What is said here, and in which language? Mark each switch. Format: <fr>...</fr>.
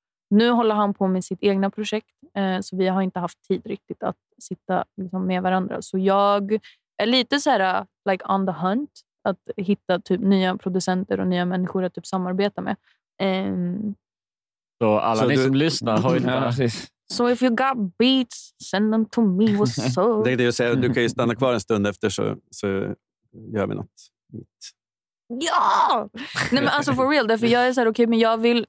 <sv>Nu håller han på med sitt egna projekt. Så vi har inte haft tid riktigt att sitta liksom med varandra. Så jag är lite så här</sv> <en>like on the hunt.</en> <sv>Att hitta typ nya producenter och nya människor att typ samarbeta med. Så alla så ni du... som lyssnar har ju inte...</sv> <en>So if you got beats, send them to me.</en> <sv>Det är ju så. Du kan ju stanna kvar en stund efter så gör vi något. Ja! Nej men alltså</sv> <en>for real,</en> <sv>därför jag är så här okej, men jag vill</sv>